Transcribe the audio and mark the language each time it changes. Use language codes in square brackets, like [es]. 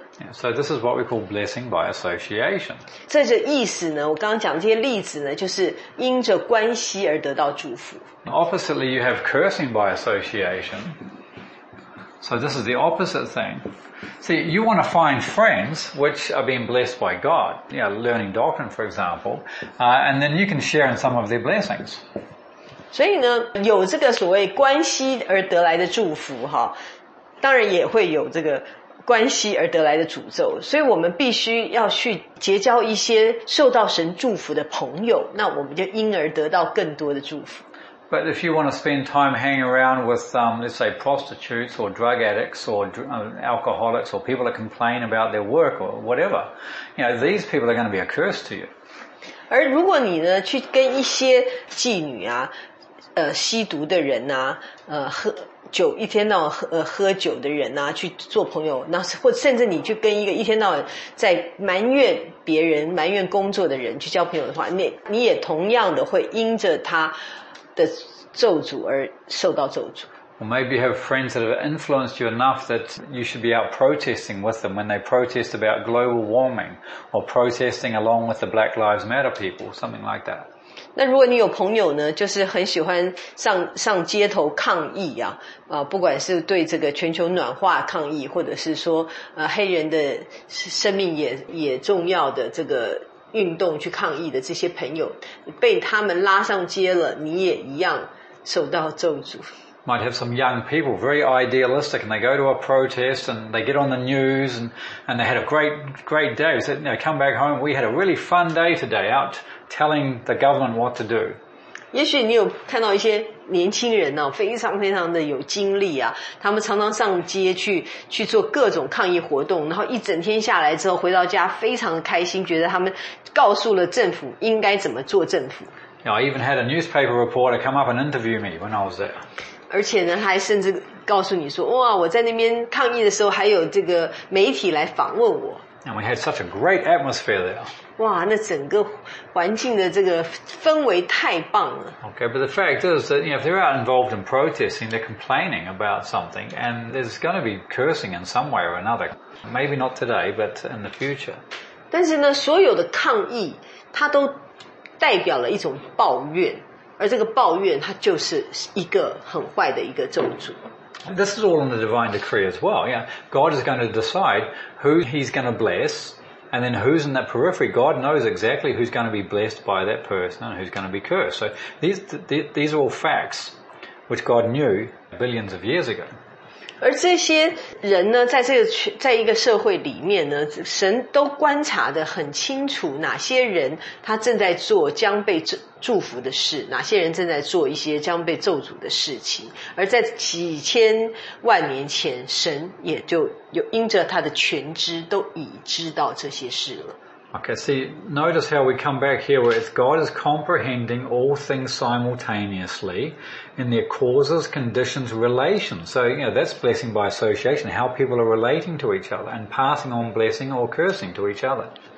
[en] So this is what we call blessing by association. [zh] 这个意思呢，我刚刚讲的这些例子呢，就是因着关系而得到祝福。 [en] Oppositely, you have cursing by association. So this is the opposite thing. See, you want to find friends which are being blessed by God, you know, learning doctrine, for example, and then you can share in some of their blessings. [zh] 所以呢，有这个所谓关系而得来的祝福，哈，当然也会有这个关系而得来的诅咒。所以我们必须要去结交一些受到神祝福的朋友，那我们就因而得到更多的祝福。 [en] But if you want to spend time hanging around with, let's say, prostitutes or drug addicts or alcoholics or people that complain about their work or whatever, you know, these people are going to be a curse to you. [zh] 而如果你呢去跟一些妓女啊，吸毒的人啊，喝酒一天到晚喝酒的人啊去做朋友，那或甚至你去跟一个一天到晚在埋怨别人、埋怨工作的人去交朋友的话，你也同样的会因着他。的咒诅而受到咒诅。 [en] Well, maybe you have friends that have influenced you enough that you should be out protesting with them when they protest about global warming or protesting along with the Black Lives Matter people, something like that. [zh] 那如果你有朋友呢，就是很喜欢上街头抗议啊，不管是对这个全球暖化抗议，或者是说黑人的生命也重要的这个。运动去抗议的这些朋友被他们拉上街了，你也一样受到咒诅。 [en] Might have some young people very idealistic, and they go to a protest, and they get on the news, and they had a great day. So, you know, come back home, we had a really fun day today out telling the government what to do. [zh] 也许你有看到一些年轻人呢、啊，非常非常的有精力啊，他们常常上街去做各种抗议活动，然后一整天下来之后回到家非常的开心，觉得他们告诉了政府应该怎么做政府。 [en] Yeah, I even had a newspaper reporter come up and interview me when I was there. [zh] 而且呢，他还甚至告诉你说，哇，我在那边抗议的时候，还有这个媒体来访问我。 [en] And we had such a great atmosphere there. [zh] 哇，那整个环境的这个氛围太棒了。 [en] Okay, but the fact is that, you know, if they're out involved in protesting, they're complaining about something, and there's going to be cursing in some way or another. Maybe not today, but in the future. [zh] 但是呢，所有的抗议，它都代表了一种抱怨，而这个抱怨，它就是一个很坏的一个咒诅。 [en] This is all in the divine decree as well. Yeah, God is going to decide who He's going to bless. And then who's in that periphery? God knows exactly who's going to be blessed by that person and who's going to be cursed. So these are all facts which God knew billions of years ago. [zh] 而这些人呢，在一个社会里面呢，神都观察得很清楚，哪些人他正在做将被祝福的事，哪些人正在做一些将被咒诅的事情。而在几千万年前，神也就有因着他的全知，都已知道这些事了。 [en] Okay, see, notice how we come back here where it's God is comprehending all things simultaneously in their causes, conditions, relations. So, you know, that's blessing by association, how people are relating to each other and passing on blessing or cursing to each other.